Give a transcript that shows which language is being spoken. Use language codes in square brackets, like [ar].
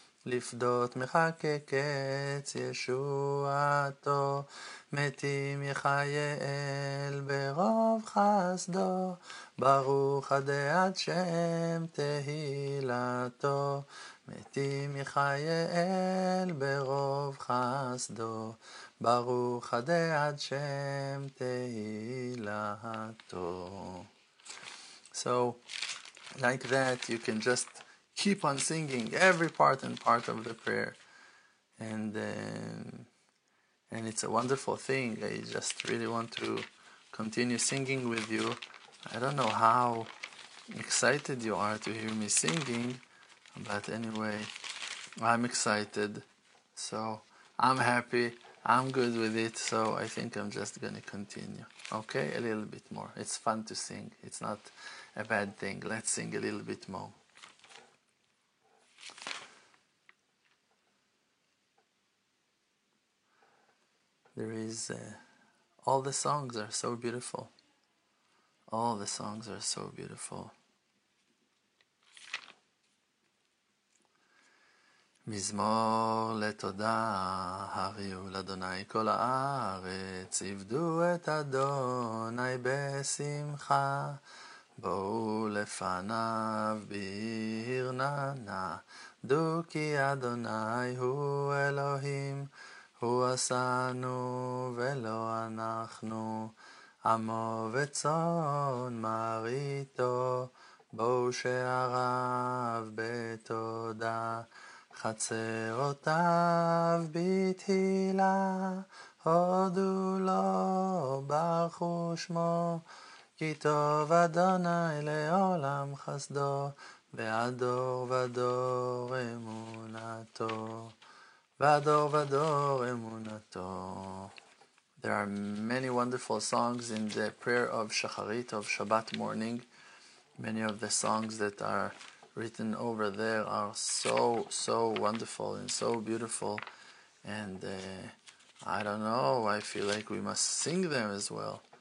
[he] לפדות מחכה קץ ישועתו, מתים יחיה אל ברוב חסדו, ברוך עדי עד שם תהילתו, מתים יחיה אל ברוב חסדו, ברוך עדי עד שם תהילתו. [en] So, like that, you can just keep on singing every part and part of the prayer. And it's a wonderful thing. I just really want to continue singing with you. I don't know how excited you are to hear me singing, but anyway, I'm excited. So I'm happy. I'm good with it. So I think I'm just going to continue. Okay, a little bit more. It's fun to sing. It's not a bad thing. Let's sing a little bit more. There is, all the songs are so beautiful. All the songs are so beautiful. [he] מזמור לתודה, הריו לאדוני כל הארץ, עבדו את אדוני בשמחה, בואו לפניו בירננה, דו כי אדוני הוא אלוהים, הוא עשנו ולא אנחנו, עמו וצאן מרעיתו, בואו שעריו בתודה, חצרותיו בתהילה, הודו לו, ברכו שמו, כי טוב אדוני לעולם חסדו, והדור ודור אמונתו. Vador, vador, emunato. [en] There are many wonderful songs in the prayer of Shacharit, of Shabbat morning. Many of the songs that are written over there are so, so wonderful and so beautiful. And I don't know, I feel like we must sing them as well.